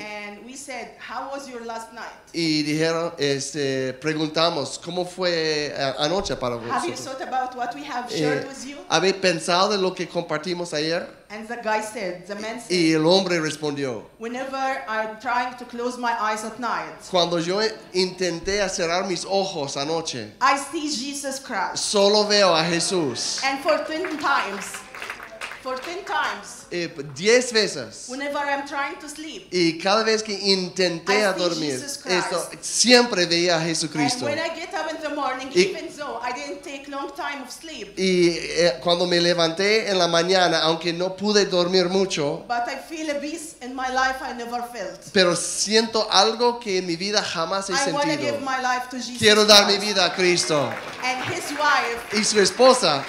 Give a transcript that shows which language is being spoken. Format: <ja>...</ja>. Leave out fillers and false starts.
<en>And we said, how was your last night?</en> <es>Y dijeron, preguntamos, ¿cómo fue anoche para vosotros?</es> <en>Have you thought about what we have shared with you?</en> <es>¿Habéis pensado en lo que compartimos ayer?</es> <en>And the guy said, the man said,</en> <es>y el hombre respondió,</es> <en>whenever I'm trying to close my eyes at night,</en> <es>cuando yo intenté cerrar mis ojos anoche,</es> <en>I see Jesus Christ.</en> <es>Solo veo a Jesús.</es> <en>And for 10 times.</en> <es>10 veces.</es> <en>Whenever I'm trying to sleep.</en> <es>Y cada vez que intenté</es> <en>I</en> <es>dormir, siempre veía a Jesucristo.</es> <en>And when I get up in the morning, even though I didn't take long time of sleep.</en> <es>Y cuando me levanté en la mañana, aunque no pude dormir mucho,</es> <en>but I feel a peace in my life I never felt.</en> <es>Pero siento algo que en mi vida jamás he</es> <en>I</en> <es>sentido.</es> <en>I want to give my life to Jesus.</en> <es>Quiero dar mi vida a Cristo.</es> <en>And his wife.</en> <es>Y su esposa.</es>